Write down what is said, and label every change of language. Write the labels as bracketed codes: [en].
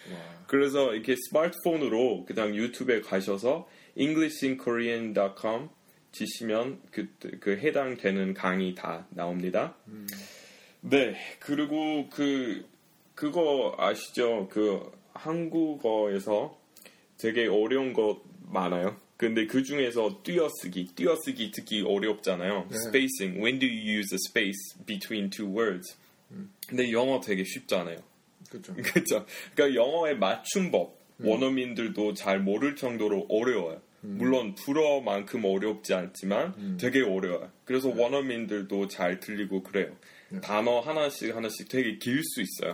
[ko] 와. 그래서 이렇게 스마트폰으로 그냥 유튜브에 가셔서 englishinkorean.com 지시면 그 해당되는 강의 다 나옵니다. 네. 그리고 그거 아시죠? 그 한국어에서 되게 어려운 것 많아요. 근데 그 중에서 띄어쓰기 특히 어렵잖아요. 네. Spacing. [en] When do you use a space between two words? [ko] 근데 영어 되게 쉽잖아요. 그렇죠. 그러니까 영어의 맞춤법 원어민들도 잘 모를 정도로 어려워요. 물론 불어만큼 어렵지 않지만 되게 어려워요. 그래서 네. 원어민들도 잘 들리고 그래요. 네. 단어 하나씩 되게 길 수 있어요.